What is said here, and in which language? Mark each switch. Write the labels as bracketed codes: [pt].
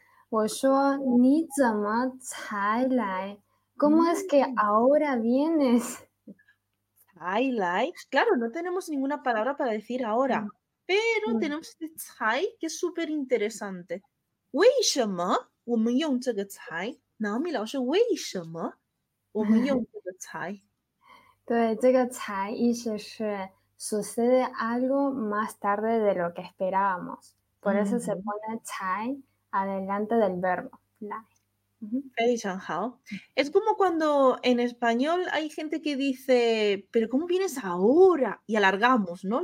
[zh] 我说你怎么才来 ？ [es] ¿Cómo es que ahora vienes？才来 ，Claro, no tenemos ninguna palabra para decir ahora, pero tenemos este 才 que es súper interesante. ¿Por qué？ [zh] 我们用这个才，Naomi 老师，为什么我们用这个才？对，这个才意思是 [es] sucede algo más tarde de lo que esperábamos. Por eso se pone 才 adelante del verbo. [zh] 来。非常好。 [es] Es como cuando en español hay gente que dice, pero ¿cómo vienes ahora? Y alargamos, ¿no?